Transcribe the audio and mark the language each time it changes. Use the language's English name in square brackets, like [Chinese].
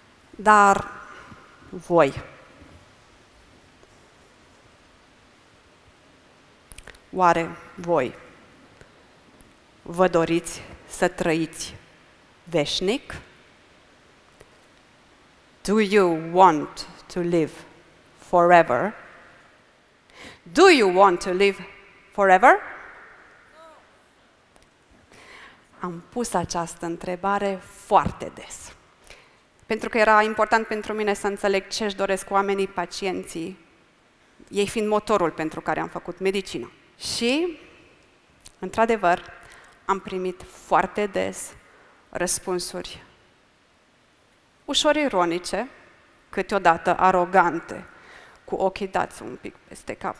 [Romanian] Dar voi, oare voi vă doriți să trăiți veșnic? [English] Do you want to live forever? Do you want to live forever? [Romanian] Am pus această întrebare foarte des. Pentru că era important pentru mine să înțeleg ce își doresc oamenii, pacienții, ei fiind motorul pentru care am făcut medicină. Și, într-adevăr, am primit foarte des răspunsuri ușor ironice, câteodată arogante, cu ochii dați un pic peste cap.